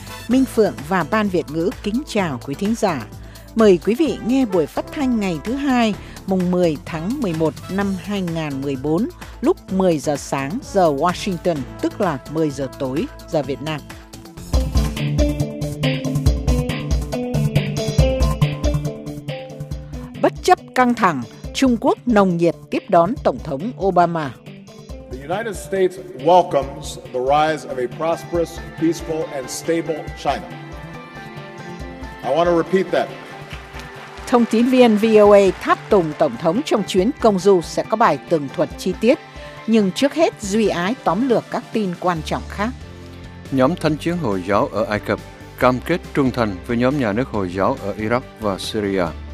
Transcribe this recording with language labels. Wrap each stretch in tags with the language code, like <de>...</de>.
<vi>Minh Phượng và Ban Việt ngữ kính chào quý thính giả. Mời quý vị nghe buổi phát thanh ngày thứ Hai, mùng 10 tháng 11 năm 2014, lúc 10 giờ sáng giờ Washington, tức là 10 giờ tối giờ Việt Nam. Bất chấp căng thẳng, Trung Quốc nồng nhiệt tiếp đón Tổng thống Obama.</vi> <en>The United States welcomes the rise of a prosperous, peaceful and stable China. I want to repeat that.</en> <vi>Thông tín viên VOA tháp tùng Tổng thống trong chuyến công du sẽ có bài tường thuật chi tiết, nhưng trước hết Duy Ái tóm lược các tin quan trọng khác. Nhóm thanh chiến Hồi giáo ở Ai Cập cam kết trung thành với nhóm nhà nước Hồi giáo ở Iraq và Syria.</vi>